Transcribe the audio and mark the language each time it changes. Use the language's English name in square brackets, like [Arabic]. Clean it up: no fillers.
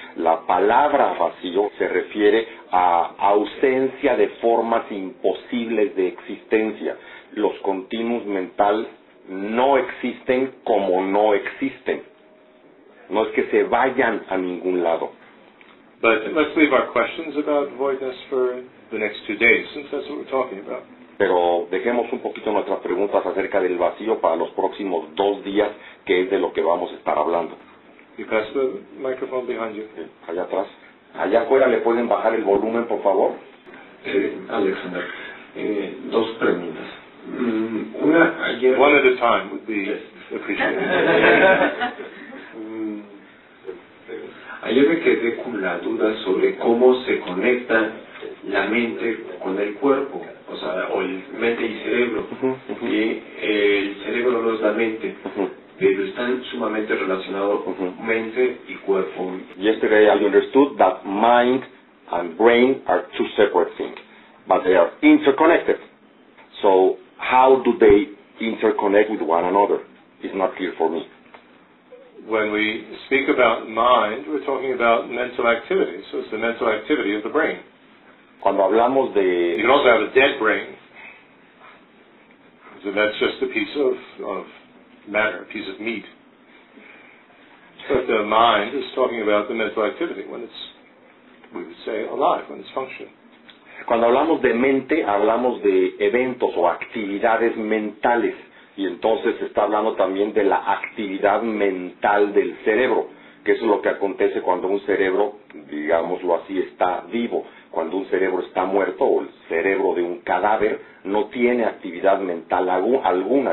[Spanish] La palabra vacío se refiere a ausencia de formas imposibles de existencia. Los continuos mentales no existen como no existen. No es que se vayan a ningún lado. [English] But let's leave our questions about voidness for the next 2 days, since that's what we're talking about. [Spanish] Pero dejemos un poquito nuestras preguntas acerca del vacío para los próximos 2 días, que es de lo que vamos a estar hablando. [English] You pass the microphone behind you. [Spanish] Allá atrás. Allá afuera, ¿le pueden bajar el volumen, por favor? Alexander, dos preguntas. Una, ayer, [English] one at a time would be appreciated. [Spanish] Ayer me quedé con la duda sobre cómo se conecta la mente con el cuerpo, o sea, o el mente y cerebro, y el cerebro no es la mente, pero están sumamente relacionados con mente y cuerpo. [English] Yesterday I understood that mind and brain are two separate things, but they are interconnected. So how do they interconnect with one another is not clear for me. When we speak about mind, we're talking about mental activity. So it's the mental activity of the brain. [Spanish] Cuando hablamos de... [English] You can also have a dead brain. So that's just a piece of matter, a piece of meat. But the mind is talking about the mental activity when it's, we would say, alive, when it's functioning. [Spanish] Cuando hablamos de mente, hablamos de eventos o actividades mentales. Y entonces está hablando también de la actividad mental del cerebro, que es lo que acontece cuando un cerebro, digámoslo así, está vivo. Cuando un cerebro está muerto o el cerebro de un cadáver no tiene actividad mental alguna.